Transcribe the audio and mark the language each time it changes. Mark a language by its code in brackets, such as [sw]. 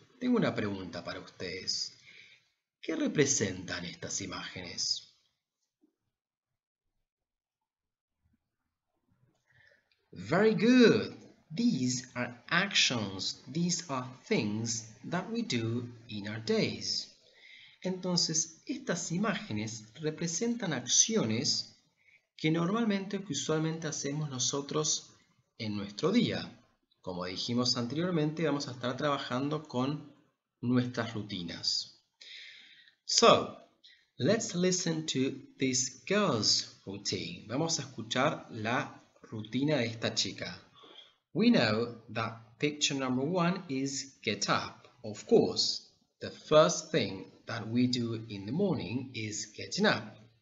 [es] Tengo una pregunta para ustedes. ¿Qué representan estas imágenes? [en] Very good. These are actions. These are things that we do in our days. [es] Entonces, estas imágenes representan acciones que normalmente o que usualmente hacemos nosotros en nuestro día. Como dijimos anteriormente, vamos a estar trabajando con nuestras rutinas. [en] So, let's listen to this girl's routine. [es] Vamos a escuchar la rutina de esta chica. [en] We know that picture number one is get up. Of course, the first thing that we do in the morning is getting up.